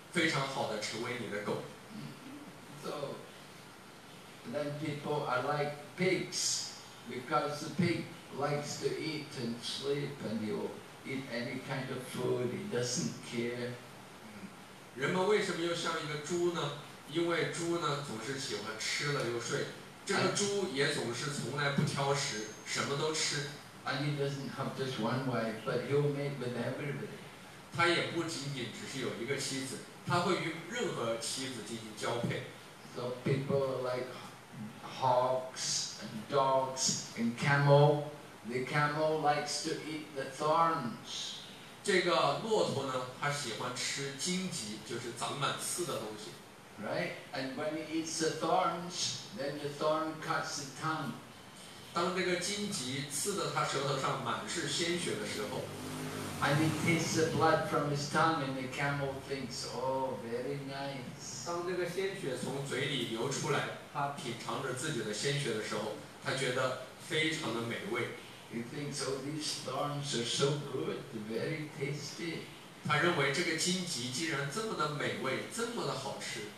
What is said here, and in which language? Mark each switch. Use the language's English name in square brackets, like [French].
[Chinese] 人们从大学毕业之后，他就向那个公司去祈祷：“亲爱的主人啊，请你给我一份工作，我会非常好的为你工作，非常好的成为你的狗。” [English] Then people are like pigs, because the pig likes to eat and sleep, and he will eat any kind of food. He doesn't care. [Chinese] 人们为什么又像一个猪呢？因为猪呢总是喜欢吃了又睡。这个猪也总是从来不挑食，什么都吃。 [English] And he doesn't have just one wife, but he'll mate with everybody. [Chinese] 他也不仅仅只是有一个妻子，他会与任何妻子进行交配。 [English] So people like hogs and dogs and camel. The camel likes to eat the thorns. [Chinese] 这个骆驼呢，它喜欢吃荆棘， 就是长满刺的东西。 [English] Right? And when it eats the thorns, then the thorn cuts the tongue. [Chinese] 当这个荆棘刺得它舌头上满是鲜血的时候， [English] And it tastes the blood from his tongue, and the camel thinks, oh, very nice. [Chinese] 当这个鲜血从嘴里流出来， 它品尝着自己的鲜血的时候， 它觉得非常的美味。 [English] He thinks, oh, these thorns are so good, very tasty. [Chinese] 他认为这个荆棘既然这么的美味， 这么的好吃。